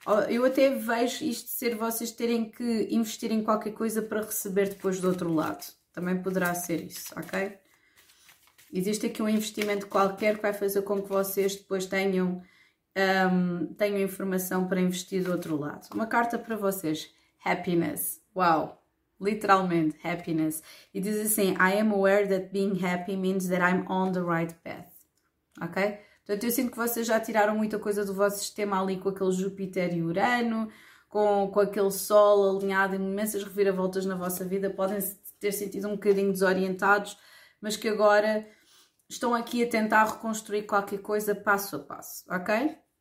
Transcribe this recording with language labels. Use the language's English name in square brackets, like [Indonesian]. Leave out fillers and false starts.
[Portuguese] Eu até vejo isto ser vocês terem que investir em qualquer coisa para receber depois do outro lado. Também poderá ser isso, ok? Existe aqui um investimento qualquer que vai fazer com que vocês depois tenham informação para investir do outro lado. Uma carta para vocês. Happiness. Uau! Literalmente, happiness. E diz assim: [English] I am aware that being happy means that I'm on the right path. Ok? [Portuguese] Portanto, eu sinto que vocês já tiraram muita coisa do vosso sistema ali com aquele Júpiter e Urano, com aquele Sol alinhado em imensas reviravoltas na vossa vida. Podem-se ter sentido um bocadinho desorientados, mas que agora estão aqui a tentar reconstruir qualquer coisa passo a passo, ok?